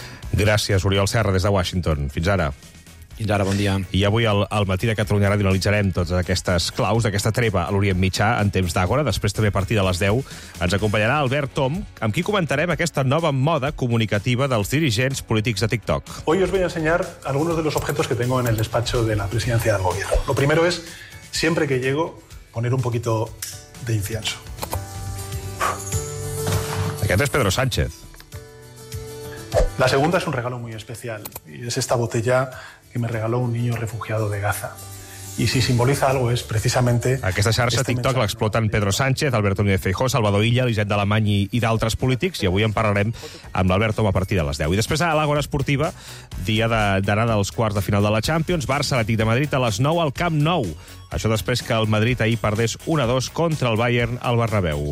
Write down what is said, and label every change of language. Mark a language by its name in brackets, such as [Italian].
[Catalan] Gràcies, Oriol Serra, des de Washington. Fins ara. Fins ara, bon dia. I avui al Matí de Catalunya Ràdio analitzarem totes aquestes claus d'aquesta treva a l'Orient Mitjà en temps d'àgora. Després també a partir de les 10 ens acompanyarà Albert Tom, amb qui comentarem aquesta nova moda comunicativa dels dirigents polítics de TikTok. [Spanish] Hoy os voy a enseñar algunos de los objetos que tengo en el despacho de la presidencia del gobierno. Lo primero es, siempre que llego, poner un poquito de incienso. [Catalan] Aquest és Pedro Sánchez. [Spanish] La segunda es un regalo muy especial y es esta botella que me regaló un niño refugiado de Gaza. Y si simboliza algo es precisamente... [Catalan] Aquesta xarxa TikTok l'exploten Pedro Sánchez, Alberto Núñez Feijóo, Salvador Illa, Elisenda Alemany i d'altres polítics, i avui en parlarem amb l'Alberto a partir de les 10. I després a l'Àgora Esportiva, dia d'anada als quarts de final de la Champions, Barça, l'Atlètic de Madrid a les 9 al Camp Nou. Això després que el Madrid ahir perdés 1-2 contra el Bayern al Bernabéu.